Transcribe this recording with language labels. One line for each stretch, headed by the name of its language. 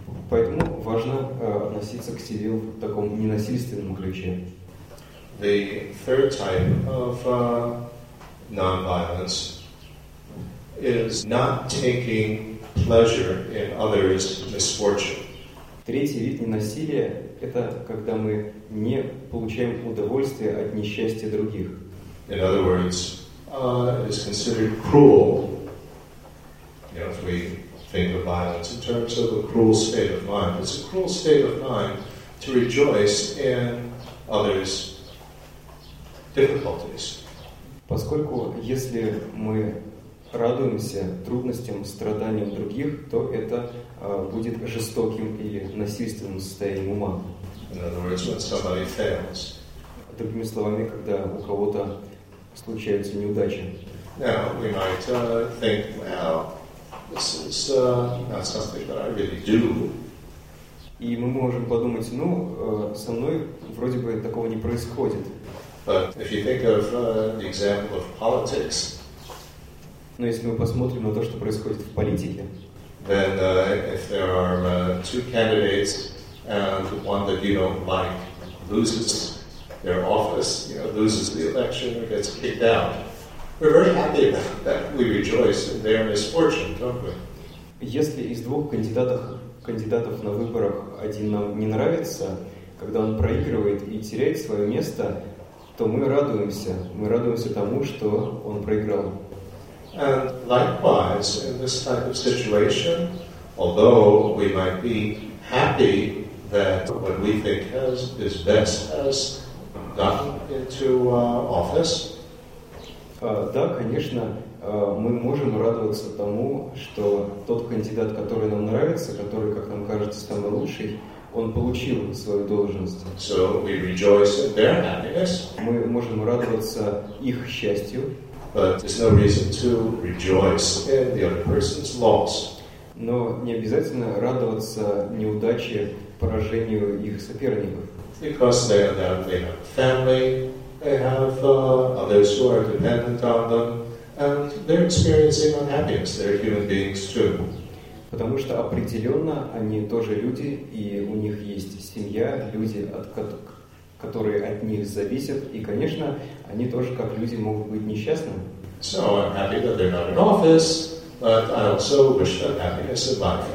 Russian: Поэтому важно относиться к себе в таком ненасильственном ключе.
English: The third type of non-violence is not taking pleasure in others' misfortune.
Russian: Третий вид ненасилия – это когда мы не получаем удовольствие от несчастья других.
English: In other words, it is considered cruel. You know, if we think of violence in terms of a cruel state of mind, it's a cruel state of mind to rejoice in others' difficulties.
Russian: Поскольку если мы радуемся трудностям, страданиям других, то это будет жестоким или насильственным состоянием ума.
English: In other words, when somebody fails.
Russian: Другими словами, когда у кого-то случаются неудачи.
English: Now, we might think, well, this is not something that I really do.
Russian: И мы можем подумать, ну, со мной вроде бы такого не происходит.
English: But if you think of the example of politics,
Russian: но если мы посмотрим на то, что происходит в политике,
English: then, if there are two candidates and one that you don't like loses their office, you know, loses the election or gets kicked out, we're very happy about that. We rejoice in their misfortune, don't we?
Russian: Если из двух кандидатов на выборах один нам не нравится, когда он проигрывает и теряет свое место, то мы радуемся. Мы радуемся тому, что он проиграл.
English: And likewise, in this type of situation, although we might be happy that what we think is best has gotten into office.
Russian: Да, конечно, мы можем радоваться тому, что тот кандидат, который нам нравится, который, как нам кажется, самый лучший, он получил свою должность.
English: So we rejoice in their happiness.
Russian: Мы можем радоваться их счастью.
English: But there's no reason to rejoice in the other person's loss.
Russian: Но не обязательно радоваться неудаче, поражению их соперников.
English: Because they have family, they have others who are dependent on them, and they're experiencing unhappiness. They're human beings too.
Russian: Потому что определенно они тоже люди, и у них есть семья, люди, которые от них зависят, и, конечно, они тоже как люди могут быть несчастны.
English: So I'm happy that they're not in office, but I also wish them happiness in life.